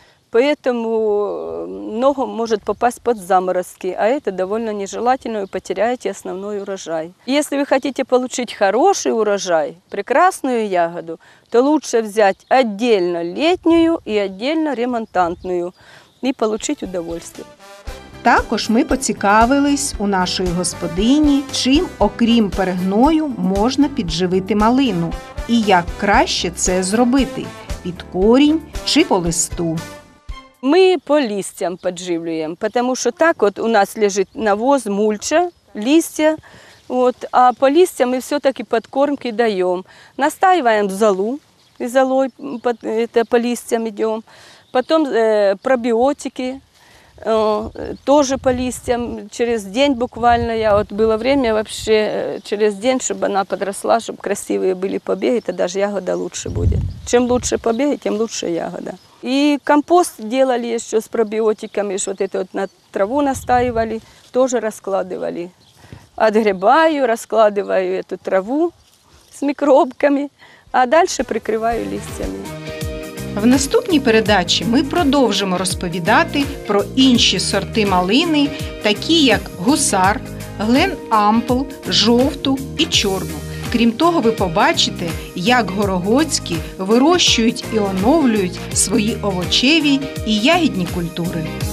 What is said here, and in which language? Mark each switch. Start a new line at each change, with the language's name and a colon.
Russian: Поэтому много может попасть под заморозки, а это довольно нежелательно, и потеряете основной урожай. Если вы хотите получить хороший урожай, прекрасную ягоду, то лучше взять отдельно летнюю и отдельно ремонтантную и получить удовольствие.
Ukrainian: Також ми поцікавились у нашої господині, чим, окрім перегною, можна підживити малину і як краще це зробити – під корінь чи по листу. Ми по листям підживлюємо, тому що так от у нас лежить навоз, мульча, листя, от, а по листям ми все-таки підкормки даємо. Настаюємо золу, золой по листям йдемо, потім пробіотики.
Russian: Тоже по листьям, через день буквально, я вот было время вообще, через день, чтобы она подросла, чтобы красивые были побеги, тогда же ягода лучше будет. Чем лучше побеги, тем лучше ягода. И компост делали еще с пробиотиками, что вот это вот на траву настаивали, тоже раскладывали. Отгребаю, раскладываю эту траву с микробками, а дальше прикрываю листьями.
Ukrainian: В наступній передачі ми продовжимо розповідати про інші сорти малини, такі як гусар, глен ампл, жовту і чорну. Крім того, ви побачите, як горогоцькі вирощують і оновлюють свої овочеві і ягідні культури.